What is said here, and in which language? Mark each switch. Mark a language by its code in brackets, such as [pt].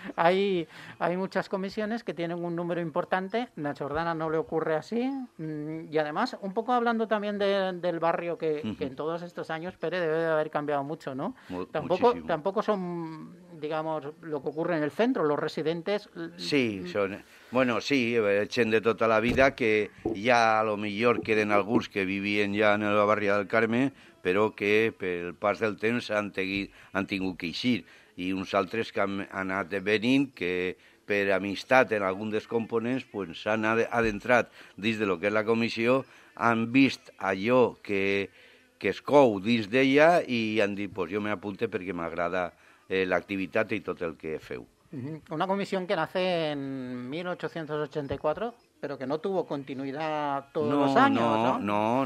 [es] Hay muchas comisiones que tienen un número importante, a Natxordana no le ocurre así, y además, un poco hablando también del barrio, que en todos estos años, Pérez, debe de haber cambiado mucho, ¿no? Tampoco son, digamos, lo que ocurre en el centro, los residentes... Sí, son... [ca] Bueno, sí, gent de tota la vida, que ja a lo millor queden alguns que vivien ja en la barriada del Carme, però que pel pas del temps han tingut que eixir. I uns altres que han anat venint, que per amistat en algun dels components pues, s'han adentrat dins de lo que és la comissió, han vist allò que es cou dins d'ella i han dit, pues jo m'apunte perquè m'agrada l'activitat i tot el que feu. [es] Una comisión que nace en 1884, pero que no tuvo continuidad todos los años, ¿no?